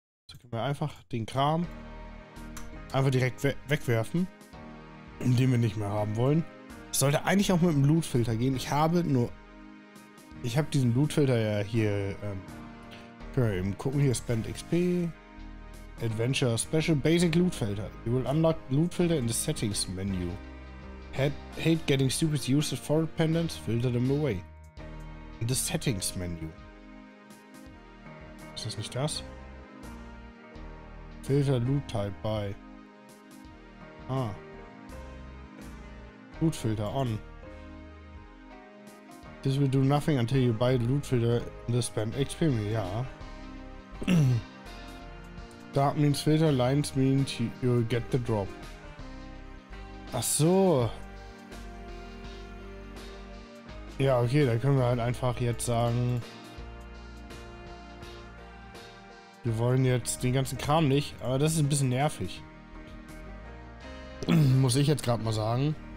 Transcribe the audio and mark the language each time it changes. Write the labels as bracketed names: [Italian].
[German] So können wir einfach den Kram einfach direkt wegwerfen, den wir nicht mehr haben wollen. Das sollte eigentlich auch mit dem Lootfilter gehen. Ich habe diesen Lootfilter ja hier, können wir eben gucken, hier Spend XP, Adventure Special Basic Loot Filter. [English] You will unlock Loot Filter in the Settings Menu. Hate getting stupid uses for pendants, filter them away. [German] Das Settings-Menü. Ist das nicht das? [English] Filter Loot Type by. [German] Ah. [English] Loot Filter on. This will do nothing until you buy Loot Filter in the spam XP menu. Ja. Dark means filter, lines means you'll get the drop. [German] Ach so. Ja, okay, dann können wir halt einfach jetzt sagen, wir wollen jetzt den ganzen Kram nicht, aber das ist ein bisschen nervig. Muss ich jetzt gerade mal sagen.